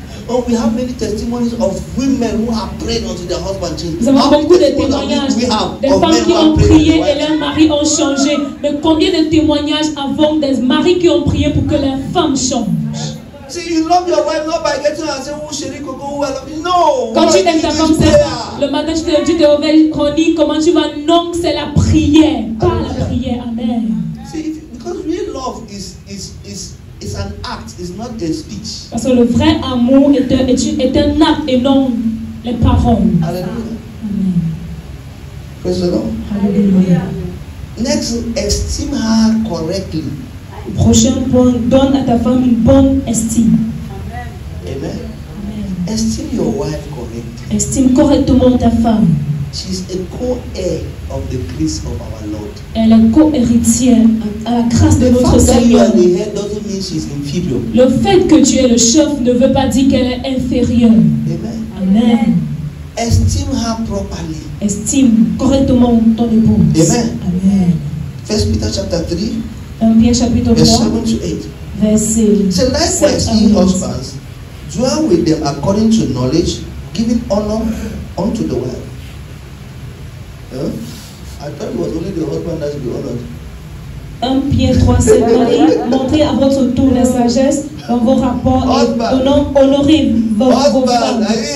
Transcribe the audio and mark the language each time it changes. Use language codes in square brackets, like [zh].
[en] Oh, we have many testimonies of women who have prayed unto their husband changed. [fr] Nous avons beaucoup de témoignages des femmes qui ont prié et leurs maris ont changé. Mais combien de témoignages avons des maris qui ont prié pour que leur femme change? [en] See, you love your wife not by getting and saying, oh, chérie, coco, I love you. No. [fr] Quand tu aimes ta femme, c'est le matin, tu te dis, tu te réveilles, Connie, comment tu vas? Non, c'est la prière, pas la prière. Amen. [en] See, because real love is. It's an act, it's not a speech. [fr] Parce que le vrai amour est un acte et non les paroles. Alléluia. [en] Praise the Lord. Alléluia. Next, estime her correctly. [fr] Prochain point, donne à ta femme une bonne estime. Amen. Amen. [en] Estime your wife correctly. [fr] Estime correctement ta femme. [en] She is a co-heir of the grace of our Lord. [fr] Elle est co-héritière à la grâce de notre Seigneur. [en] The fact that you are the head doesn't mean she is inferior. [fr] Le fait que tu es le chef ne veut pas dire qu'elle est inférieure. [en] Amen. Estime her properly. [fr] Estime correctement ton épouse. Amen. Amen. [en] 1 Peter chapter 3. [fr] 1 Pierre chapitre 3. [en] Verse 7 to 8. [fr] Verset 7. [en] So likewise, ye husbands, dwell with them according to knowledge, giving honor unto the wife. Huh? I thought it was only the husband that should be honored. [fr] 1 Pierre 3, 7, Marie, montrez à votre tour la sagesse dans vos rapports et honorez vos femmes.